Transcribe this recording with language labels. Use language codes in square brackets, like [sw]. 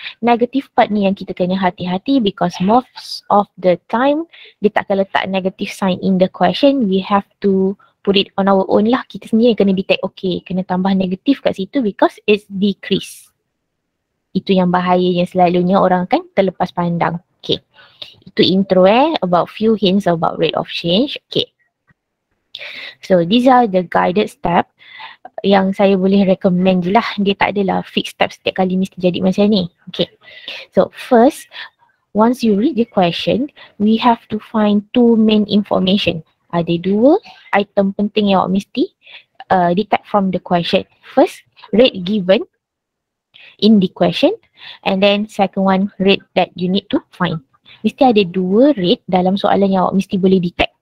[en] Negative part [ms] ni yang kita kena hati-hati [en] because most of the time, [ms] dia takkan letak [en] negative sign in the question, we have to put it on our own [ms] lah. Kita sendiri kena detect, okay, kena tambah negative kat situ [en] because it's decrease. [ms] Itu yang bahaya yang selalunya orang akan terlepas pandang. [en] Okay, itu intro about few hints about rate of change. Okay. So these are the guided step [ms] yang saya boleh [en] recommend [ms] je lah. Dia tak adalah fixed step setiap kali mesti jadi macam ni. [en] Okay, so first, once you read the question, we have to find two main information. [ms] Ada dua item penting yang awak mesti detect [en] from the question. First, rate given in the question, and then second one, rate that you need to find. [ms] Mesti ada dua rate dalam soalan yang awak mesti boleh detect.